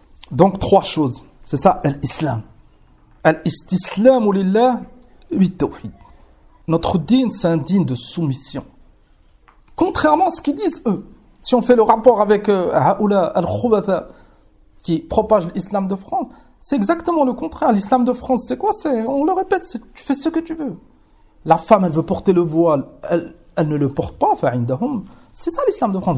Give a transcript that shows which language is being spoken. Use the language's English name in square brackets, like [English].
[French] Donc trois choses, c'est ça l'islam. [Arabic] الاستسلام لله بالتوحيد. [French] Notre dîn, c'est un dîn de soumission. Contrairement à ce qu'ils disent eux, si on fait le rapport avec [Arabic] Haoula al-Khubatha [French] qui propage l'islam de France, c'est exactement le contraire. L'islam de France, c'est quoi? C'est, on le répète, c'est, tu fais ce que tu veux. La femme, elle veut porter le voile, elle ne le porte pas. C'est ça l'islam de France.